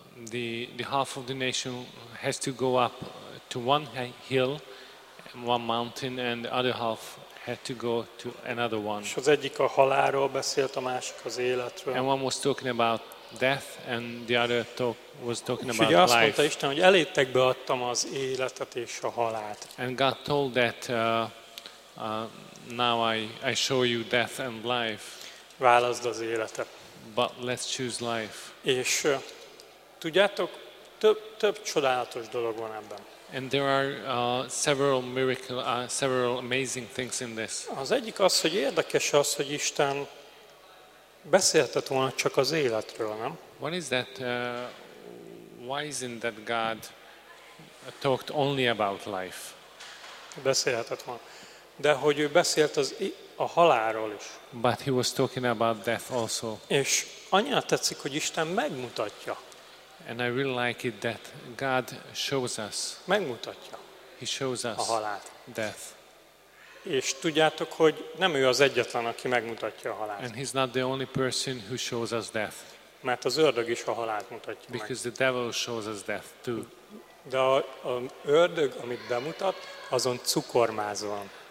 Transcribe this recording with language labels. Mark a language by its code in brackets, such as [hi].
[en] The half of the nation has to go up to one hill, one mountain, and the other half had to go to another one. [hu] És az egyik a halálról beszélt, a másik az életről. [en] And one was talking about death, and the other was talking [hu] és [en] about [hu] azt [en] life. [hu] Mondta Isten, hogy elétek beadtam az életet és a halált. [en] And God told that now I show you death and life. [hu] Válaszd az életet. [en] But let's choose life. [hu] És tudjátok, több csodálatos dolog van ebben. [en] And there are several amazing things in this. [hu] Az egyik az, hogy érdekes az, hogy Isten beszéltet volna csak az életről, nem? [en] What is that? Why isn't that God talked only about life? [hu] Beszéltet volna. De hogy ő beszélt a halálról is. [en] But he was talking about death also. [hu] És annyira tetszik, hogy Isten megmutatja. [en] And I really like it that God shows us. [hu] Megmutatja. [en] He shows us [hu] a halált. [en] Death. [hu] És tudjátok, hogy nem ő az egyetlen, aki megmutatja a halált. [en] And he's not the only person who shows us death. [hu] Mert az ördög is a halált mutatja [en] Because [hu] meg. [en] The devil shows us death too. [hu] De az ördög, amit bemutat, azon cukormáz van.